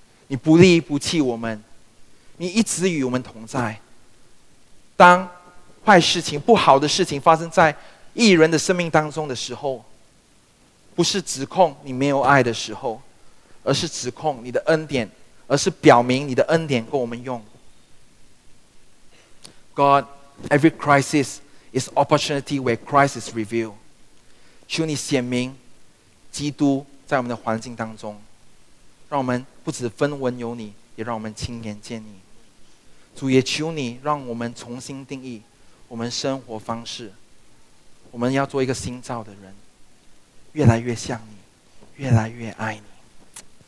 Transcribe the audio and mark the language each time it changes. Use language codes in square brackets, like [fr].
[zh] 你不离不弃我们，你一直与我们同在。当坏事情、不好的事情发生在义人的生命当中的时候，不是指控你没有爱的时候，而是指控你的恩典，而是表明你的恩典够我们用。 [en] God, every crisisIt's opportunity where Christ is revealed. [zh] 求你显明基督在我们的环境当中，让我们不只分文有你，也让我们亲眼见你。主，也求你让我们重新定义我们生活方式，我们要做一个新造的人，越来越像你，越来越爱你。